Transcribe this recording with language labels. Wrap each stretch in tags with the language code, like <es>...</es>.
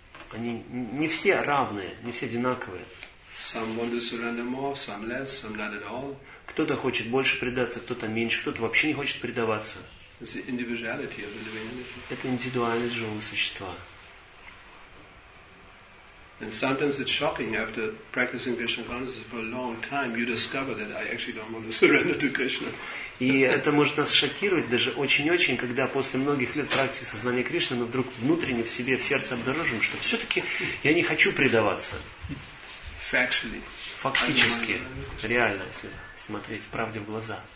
<ru>Они не все равные, не все одинаковые.</ru> <en>Some want to surrender more, some less, some not at all.</en> <ru>Кто-то хочет больше предаться, кто-то меньше, кто-то вообще не хочет предаваться.</ru> <en>It's the individuality of the living entity.</en> <ru>Это индивидуальность живого существа.</ru> <en>And sometimes it's shocking after practicing Krishna consciousness for a long time, you discover that I actually don't want to surrender to Krishna.</en> <ru>И это может нас шокировать даже очень-очень, когда после многих лет практики сознания Кришны мы вдруг внутренне в себе, в сердце обнаружим, что все-таки я не хочу предаваться.</ru> <en>Factually.</en> <ru>Фактически, реально, если смотреть правде в глаза.</ru>